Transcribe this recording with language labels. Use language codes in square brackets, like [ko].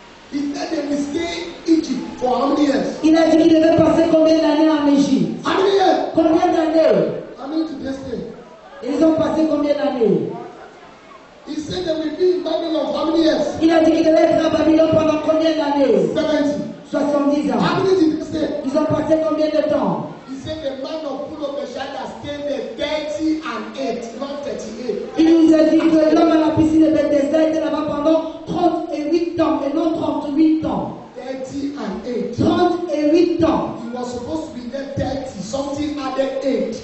[en] He said they will stay in Egypt for how many years? [fr] Il a dit qu'il devait passer combien d'années en Égypte? [en] How many years? [fr] Combien d'années? [en] How many to destiny? [fr] Ils ont passé combien d'années? [en] He said they will be in Babylon for how many years? [fr] Il a dit qu'il devait être à Babylone pendant combien d'années? 70 ans. [en] How many did he stay? [fr] Ils ont passé combien de temps? [en] He said the man of full of Bethesda stayed there 38. [fr] Il nous a dit que l'homme à la piscine de Bethesda était là-bas pendant 38 ans et non 38 ans. 38 ans. [en] He was supposed to be there 30, something at the 8.